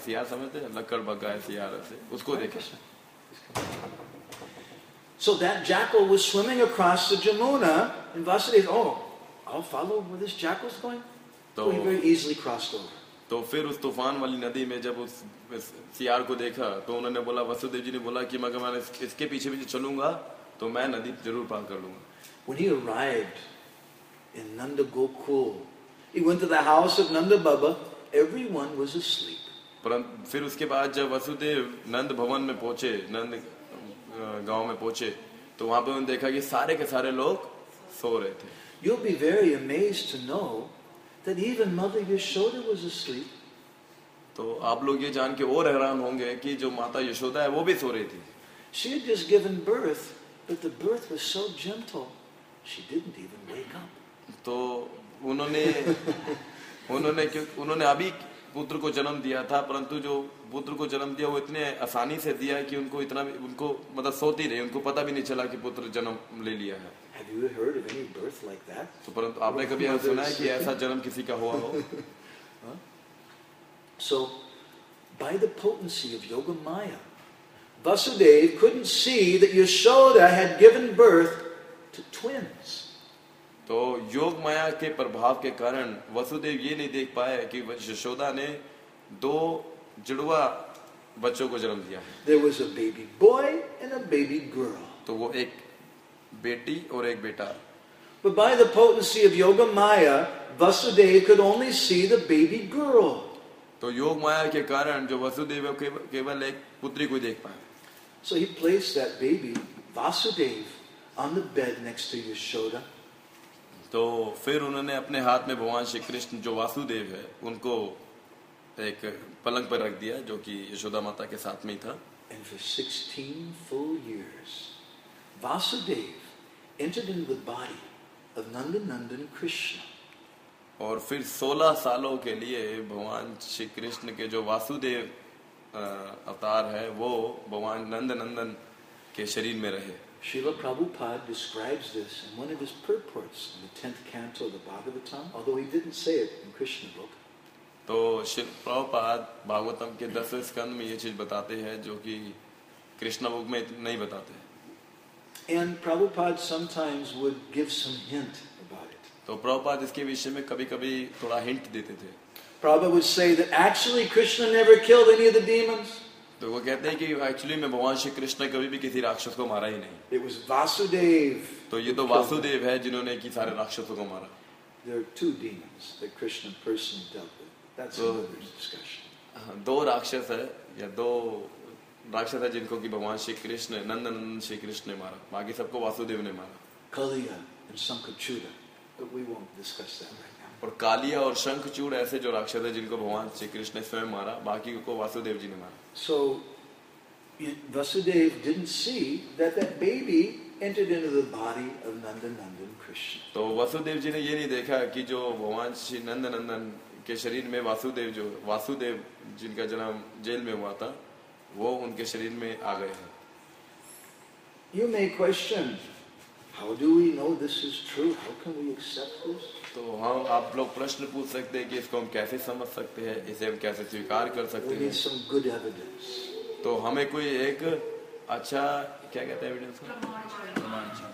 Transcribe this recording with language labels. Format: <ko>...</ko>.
<hi>सियार समझते हैं लकड़ बग्गा है सियार से उसको देखा.</hi> <en>So that jackal was swimming across the Jamuna and Vasudev, oh, I'll follow where this jackal is going. So he very easily crossed over.</en> <hi>तो फिर उस तूफान वाली नदी में जब उस सियार को देखा तो उन्होंने बोला वसुदेव जी ने बोला कि मैं इसके पीछे पीछे चलूंगा तो मैं नदी जरूर पार कर लूंगा.</hi> <en>When he arrived in Nanda Gokul, he went to the house of Nanda Baba. Everyone was asleep.</en> <hi>परं फिर उसके बाद जब वसुदेव नंद भवन में पहुंचे नंद गांव में पहुंचे तो वहां पे उन्होंने देखा कि सारे के सारे लोग सो रहे थे.</hi> <en>You'll be very amazed to know that even Mother Yashoda was asleep.</en> <hi>तो आप लोग ये जान के और हैरान होंगे कि जो माता यशोदा है वो भी सो रही थी.</hi> <en>She had just given birth. But the birth was so gentle, she didn't even wake up.</en> <hi>तो उन्होंने उन्होंने क्योंकि उन्होंने अभी पुत्र को जन्म दिया था परंतु जो पुत्र को जन्म दिया वो इतने आसानी से दिया कि उनको इतना भी उनको मतलब सोती रही उनको पता भी नहीं चला कि पुत्र जन्म ले लिया है.</hi> <en>Have you heard of any birth like that?</en> <hi>तो परंतु आपने कभी ऐसा सुना है कि ऐसा जन्म किसी का हुआ हो?</hi> <en>So, by the potency of Yoga Maya. Vasudev couldn't see that Yashoda had given birth to twins.</en> <hi>तो योग माया के प्रभाव के कारण वसुदेव ये नहीं देख पाए कि यशोदा ने दो जुड़वा बच्चों को जन्म दिया.</hi> <en>There was a baby boy and a baby girl.</en> <hi>तो वो एक बेटी और एक बेटा.</hi> <en>But by the potency of Yoga Maya, Vasudev could only see the baby girl.</en> <hi>तो योग माया के कारण जो वसुदेव केवल एक पुत्री को देख पाए.</hi> <en>So he placed that baby Vasudev on the bed next to Yashoda.</en> <hi>तो फिर उन्होंने अपने हाथ में भगवान श्री कृष्ण जो वासुदेव है उनको एक पलंग पर रख दिया जो कि यशोदा माता के साथ में ही था.</hi> <en>And for 16 full years Vasudev entered into the body of Nandanandan Krishna.</en> <hi>और फिर 16 सालों के लिए भगवान श्री कृष्ण के जो वासुदेव अवतार है वो भगवान नंद नंदन के शरीर में रहे.</hi> <en>Śrīla Prabhupāda describes this in one of his purports in the 10th canto of the Bhagavatam, although he didn't say it in Krishna book.</en> <hi>तो Śrīla Prabhupāda Bhagavatam के 10th skand में ये चीज बताते हैं जो कि Krishna book में नहीं बताते.</hi> <en>And Prabhupāda sometimes would give some hint about it.</en> <hi>तो Prabhupāda इसके विषय में कभी कभी थोड़ा hint देते थे.</hi> <en>Prabhupada would say that actually Krishna never killed any of the demons.</en> <hi>तो वो कहते हैं कि एक्चुअली में भगवान श्री कृष्ण कभी भी किसी राक्षस को मारा ही नहीं.</hi> <en>It was Vasudev.</en> <hi>तो ये तो वासुदेव है जिन्होंने कि सारे राक्षसों को मारा.</hi> <en>There are two demons that Krishna personally dealt with. That's another discussion.</en> <hi>दो राक्षस है या दो राक्षस है जिनको कि भगवान श्री कृष्ण नंद नंदन श्री कृष्ण ने मारा, बाकी सबको वासुदेव ने मारा.</hi> <en>Kaliya and Shankhachuda, but we won't discuss that right now.</en> <hi>और कालिया और शंखचूड़ ऐसे जो राक्षस है जिनको भगवान श्री कृष्ण ने स्वयं मारा, बाकी को वासुदेव जी ने मारा.</hi> <en>So Vasudev didn't see that that baby entered into the body of Nandanandan Krishna.</en> <hi>तो वासुदेव जी ने ये नहीं देखा कि जो भगवान श्री नंदनंदन के शरीर में वासुदेव, जो वासुदेव जिनका जन्म जेल में हुआ था, वो उनके शरीर में आ गए हैं.</hi> <en>You may question, how do we know this is true? How can we accept this?</en> <hi>तो हाँ, आप लोग प्रश्न पूछ सकते हैं कि इसको हम कैसे समझ सकते हैं, इसे हम कैसे स्वीकार कर सकते हैं.</hi> <en>We need some good evidence.</en> <hi>तो हमें कोई एक अच्छा क्या कहते हैं evidence?</hi>